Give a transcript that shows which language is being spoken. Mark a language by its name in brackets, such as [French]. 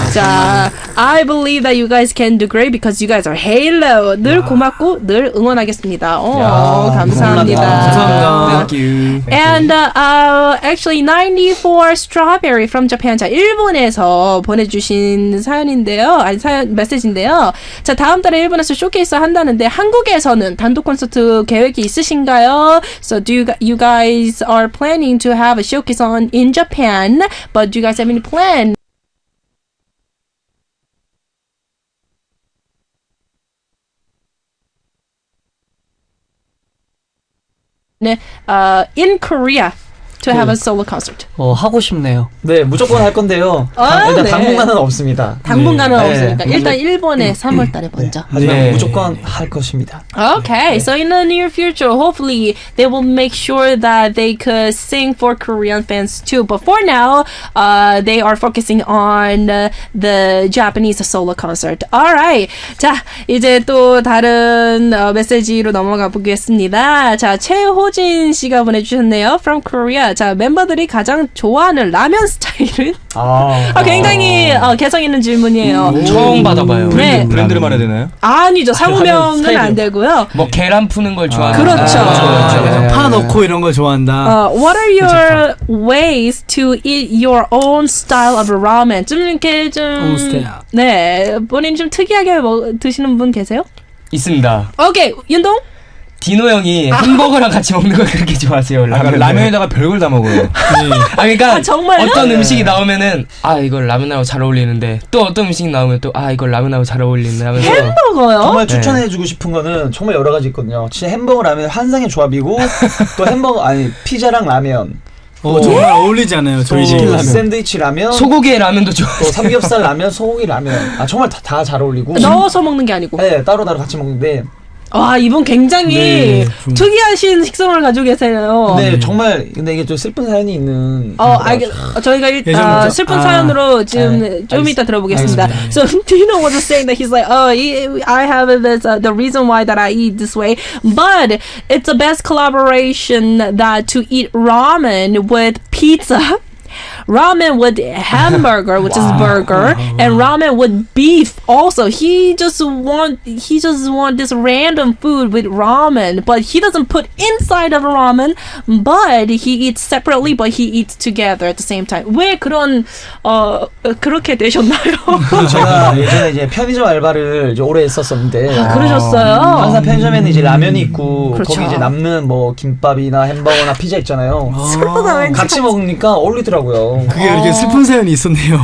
[English] 자, I believe that you guys can do great because you guys are Halo. [Korean] 늘 고맙고 늘 응원하겠습니다. 오, 야, 감사합니다. 감사합니다. [English] Thank you. And actually 94 Strawberry from Japan. [Korean] 자, 일본에서 보내주신 사연인데요. 아니, 사연, 메시지인데요. 자, 다음 달에 일본에서 쇼케이스 한다는데 한국에서는 단독 콘서트 계획이 있으신가요? [English] So do you guys are planning to have a showcase on in Japan? But do you guys have any plan? In Korea to have a solo concert. [Korean] 하고 싶네요. 네, 무조건 할 건데요. 일단 네. 당분간은 없습니다. 당분간은 네. 없으니까 네. 일단 일본에 3월 달에 먼저. 네. 하지만 네. 무조건 할 것입니다. [English] Okay, 네. so in the near future, hopefully they will make sure that they could sing for Korean fans too. But for now, they are focusing on the Japanese solo concert. All right. [Korean] 자, 이제 또 다른 메시지로 넘어가 보겠습니다. 자, 최호진 씨가 보내주셨네요. [English] From Korea. [Korean] 자, 멤버들이 가장 좋아하는 라면 스타일은? 굉장히 개성 있는 질문이에요. 처음 받아봐요. 브랜드를 말해야 되나요? 아니죠. 상호명은 안 되고요. 뭐 계란 푸는 걸 좋아한다. 그렇죠. 파 넣고 이런 걸 좋아한다. [English] What are your ways to eat your own style of ramen? [Korean] 좀 이렇게 좀... 네, 본인 좀 특이하게 드시는 분 계세요? 있습니다. 오케이, 윤동? 디노 형이 햄버거랑 같이 먹는 걸 그렇게 좋아하세요. 라면에다가 별걸 다 먹어요. 아 그러니까 정말요? 어떤 음식이 나오면은 아 이걸 라면하고 잘 어울리는데 또 어떤 음식이 나오면 또 아 이걸 라면하고 잘 어울리는데 하면서 햄버거요? 정말 추천해주고 싶은 거는 정말 여러 가지 있거든요. 진짜 햄버거 라면 환상의 조합이고 또 햄버거 아니 피자랑 라면 정말 어울리잖아요. 저희 집 샌드위치 라면 소고기 라면도 좋아. 삼겹살 라면 소고기 라면 아 정말 다 잘 어울리고 넣어서 먹는 게 아니고 네 따로 같이 먹는데. 와 이분 굉장히 네, 특이하신 식성을 가지고 계세요. 네 정말 근데 이게 좀 슬픈 사연이 있는. 저희가 일단 슬픈 사연으로 지금 좀 이따 들어보겠습니다. 알겠습니다. [English] So Dino was saying that he's like, oh, I have this the reason why that I eat this way, but it's the best collaboration that to eat ramen with pizza. ramen with hamburger, which is burger, and ramen with beef also. He just want this random food with ramen, but he doesn't put inside of ramen, but he eats separately, but he eats together at the same time. [Korean] 왜 그런 그렇게 되셨나요? 제가 예전에 이제 편의점 알바를 이제 오래 했었었는데 그러셨어요? 항상 편의점에는 이제 라면이 있고 그렇죠. 거기 이제 남는 뭐 김밥이나 햄버거나 피자 있잖아요. 같이 먹으니까 어울리더라고요. 그게 이렇게 슬픈 사연이 있었네요.